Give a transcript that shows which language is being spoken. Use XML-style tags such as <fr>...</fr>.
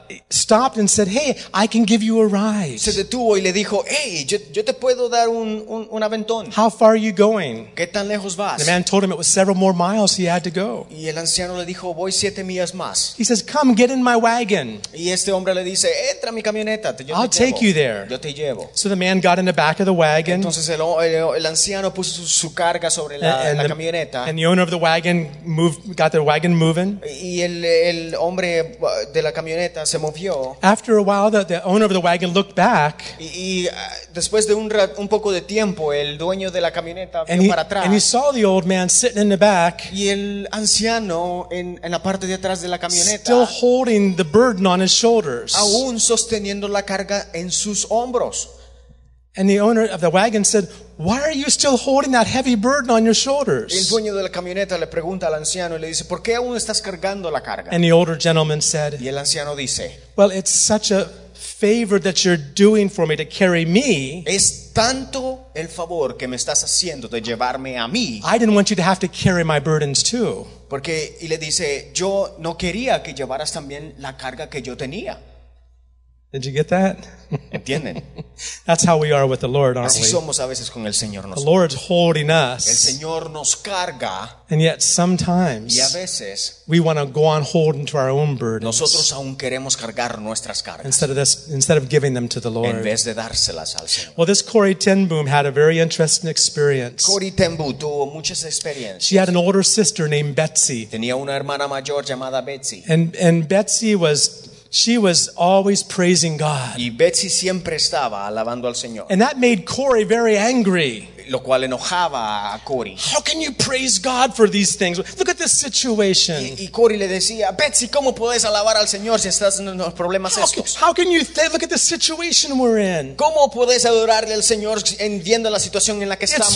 <en>Stopped and said, "Hey, I can give you a ride."</en> <es>Se detuvo y le dijo, "Hey, yo te puedo dar un aventón."</es> <en>How far are you going?</en> <es>¿Qué tan lejos vas?</es> <en>The man told him it was several more miles he had to go.</en> <es>Y el anciano le dijo, "Voy 7 millas más."</es> <en>He says, "Come, get in my wagon."</en> <es>Y este hombre le dice, "Entra a mi camioneta, yo te llevo."</es> <en>I'll take you there.</en> <es>Yo te llevo.</es> <en>So the man got in the back of the wagon.</en> <es>Entonces el anciano puso su carga sobre la camioneta.</es> <en>And the owner of the wagon got the wagon moving.</en> <es>Y el hombre de la camioneta se movió.</es> <en>After a while, the owner of the wagon looked back.</en> <es>Y después de un poco de tiempo, el dueño de la camioneta vio para atrás.</es> <en>And he saw the old man sitting in the back.</en> <es>Y el anciano en la parte de atrás de la camioneta.</es> <en>Still holding the burden on his shoulders.</en> <es>Aún sosteniendo la carga en sus hombros.</es> <en>And the owner of the wagon said, "Why are you still holding that heavy burden on your shoulders?"</en> <es>El dueño de la camioneta le pregunta al anciano y le dice, "¿Por qué aún estás cargando la carga?"</es> <en>And the older gentleman said,</en> <es>y el anciano dice,</es> <en>"Well, it's such a favor that you're doing for me to carry me.</en> <es>Es tanto el favor que me estás haciendo de llevarme a mí.</es> <en>I didn't want you to have to carry my burdens too."</en> <es>Porque y le dice, "Yo no quería que llevaras también la carga que yo tenía."</es> <en>Did you get that?</en> <es>¿Entienden?</es> <en>That's how we are with the Lord, aren't</en> <es>así</es> <en>we?</en> <es>Somos a veces con el Señor.</es> <en>The Lord's holding us.</en> <es>El Señor nos carga.</es> <en>And yet sometimes</en> <es>y a veces,</es> <en>we want to go on holding to our own burdens.</en> <es>Nosotros aún queremos cargar nuestras cargas.</es> <en>Instead of giving them to the Lord.</en> <es>En vez de dárselas al Señor.</es> <en>Well, this Corrie Ten Boom had a very interesting experience.</en> <es>Corrie Ten Boom tuvo muchas experiencias.</es> <en>She had an older sister named Betsy.</en> <es>Tenía una hermana mayor llamada Betsy.</es> <en>And Betsy was... She was always praising God.</en> <es>Y Betsy siempre estaba alabando al Señor.</es> <en>And that made Corrie very angry.</en> <es>Lo cual enojaba a Corrie.</es> <en>How can you praise God for these things? Look at this situation.</en> <es>Y Corrie le decía, Betsy, ¿cómo puedes alabar al Señor si estás en los problemas estos?</es> <en>How can you look at the situation we're in?</en> <es>¿Cómo puedes adorarle al Señor viendo la situación en la que estamos?</es>